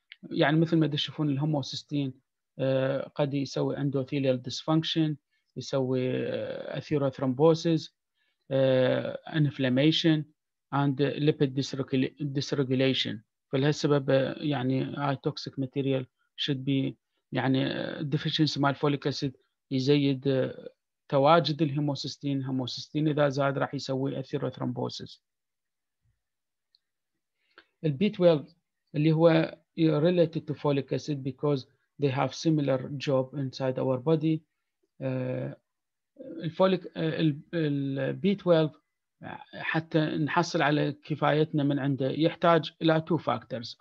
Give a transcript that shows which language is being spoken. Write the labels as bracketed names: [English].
[Arabic] يعني مثل ما تشوفون الهوموسيستين قد يسوي اندوثيليال ديسفانكشن، يسوي اثيروثرومبوسيس، انفلاميشن اند ليبيد ديسريجوليشن. فلهالسبب يعني [English] اي toxic material should be, [Arabic] يعني ديفيشنسي مال فوليك اسيد يزيد تواجد الهيموسيستين. هيموسيستين اذا زاد راح يسوي اثيروثرومبوسيس. البي 12 اللي هو [English] related to folic acid because they have similar job inside our body. [Arabic] الفوليك البي 12 حتى نحصل على كفايتنا من عنده يحتاج الى [English] Two factors.